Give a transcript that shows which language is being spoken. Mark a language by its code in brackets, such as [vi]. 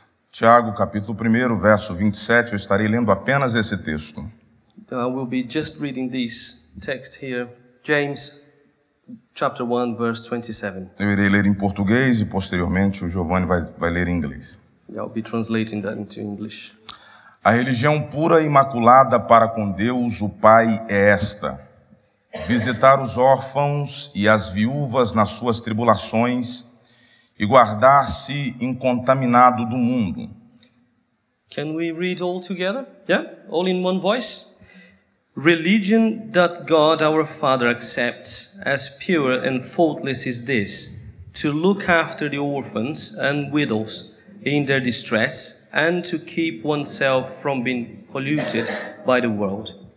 [pt] Tiago, capítulo 1, verso 27, eu estarei lendo apenas esse texto. [en] I will be just reading this text here. James, chapter 1, verse 27. [pt] Eu irei ler em português e posteriormente o Giovanni vai ler em inglês. [en] I'll be translating that into English. [pt] A religião pura e imaculada para com Deus, o Pai, é esta: visitar os órfãos e as viúvas nas suas tribulações e guardar-se incontaminado do mundo. [en] Can we read all together? Yeah? All in one voice? Religion that God our Father accepts as pure and faultless is this: to look after the orphans and widows in their distress, and to keep oneself from being polluted by the world.